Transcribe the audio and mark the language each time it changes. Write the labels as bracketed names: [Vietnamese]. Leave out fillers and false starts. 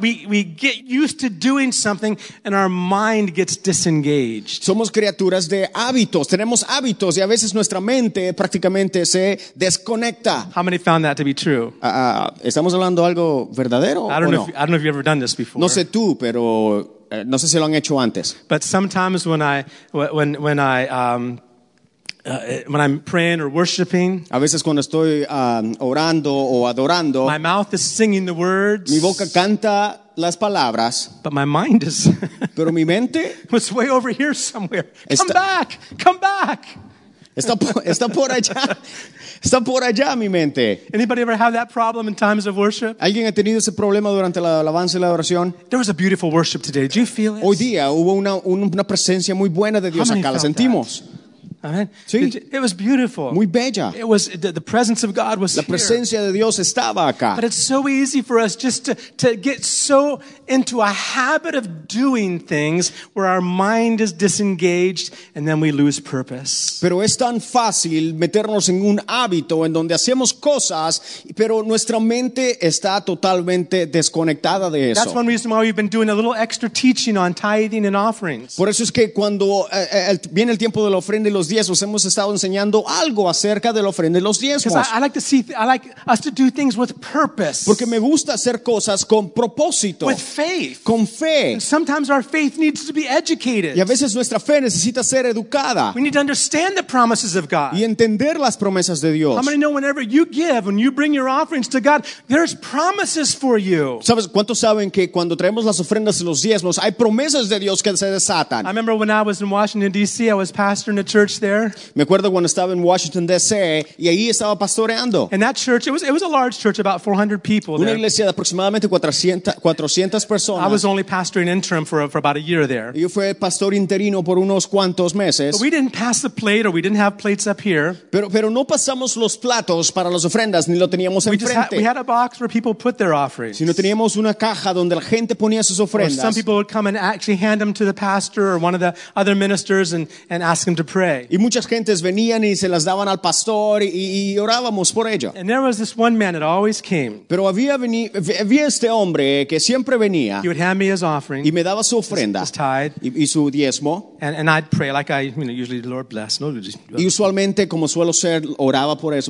[English] We get used to doing something and our mind gets disengaged. [Spanish] Somos criaturas de hábitos. Tenemos hábitos y a veces nuestra mente prácticamente se desconecta. [English] How many found that to be true? [Spanish] ¿Estamos hablando algo verdadero o no? [English] I don't know if you've ever done this before. [Spanish] No sé tú, pero no sé si lo han hecho antes. [English] But sometimes when I'm praying or worshiping, [Spanish] a veces cuando estoy orando o adorando, [English] my mouth is singing the words, [Spanish] mi boca canta las palabras. [English] But my mind is. [Spanish] Pero mi mente. [English] Was way over here somewhere. Come back! Come back! [Spanish] Está por allá. Está por allá mi mente. [English] Anybody ever have that problem in times of worship? [Spanish] ¿Alguien ha tenido ese problema durante la alabanza y la adoración? [English] There was a beautiful worship today. Did you feel it? [Spanish] Hoy día hubo una presencia muy buena de Dios acá. ¿La sentimos? [English] Amen. [Spanish] Sí. [English] It was beautiful. [Spanish] Muy bella. [English] It was the presence of God was here. [Spanish] La presencia de Dios estaba acá. [English] But it's so easy for us just to get so into a habit of doing things where our mind is disengaged and then we lose purpose. [Spanish] Pero es tan fácil meternos en un hábito en donde hacemos cosas, pero nuestra mente está totalmente desconectada de eso. [English] That's one reason why we've been doing a little extra teaching on tithing and offerings. [Spanish] Por eso es que cuando viene el tiempo de la ofrenda y los diezmos, hemos estado enseñando algo acerca de la ofrenda y los diezmos. [English] I like us to do things with purpose. [Spanish] Porque me gusta hacer cosas con propósito. [English] With faith. [Spanish] Con fe. [English] And sometimes our faith needs to be educated. [Spanish] Y a veces nuestra fe necesita ser educada. [English] We need to understand the promises of God. [Spanish] Y entender las promesas de Dios. [English] How many know whenever you give, when you bring your offerings to God, there's promises for you. [Spanish] ¿Sabes cuántos saben que cuando traemos las ofrendas y los diezmos, hay promesas de Dios que se desatan? [English] I remember when I was in Washington D.C., I was pastoring a church there. [Spanish] Me acuerdo cuando estaba en Washington D.C. y ahí estaba pastoreando. [English] And that church, it was a large church, about 400 people. [Spanish] Una iglesia de aproximadamente 400 personas. [English] I was only pastoring interim for about a year there. [Spanish] Yo fui pastor interino por unos cuantos meses. [English] But we didn't pass the plate, or we didn't have plates up here. [Spanish] Pero no pasamos los platos para las ofrendas ni lo teníamos enfrente. [English] We had a box where people put their offerings. [Spanish] Sino teníamos una caja donde la gente ponía sus ofrendas. [English] Or some people would come and actually hand them to the pastor or one of the other ministers and ask him to pray. [Spanish] Y muchas gentes venían y se las daban al pastor y orábamos por ello. [English] And there was this one man that always came. [Spanish] Pero había este hombre que siempre venía. [English] He would hand me his offering. [Spanish] Y me daba su ofrenda. [English] His tithe. [Spanish] Y su diezmo. [English] And I'd pray like I, you know, usually the Lord bless. [Spanish] No, y usualmente como suelo ser, oraba por eso.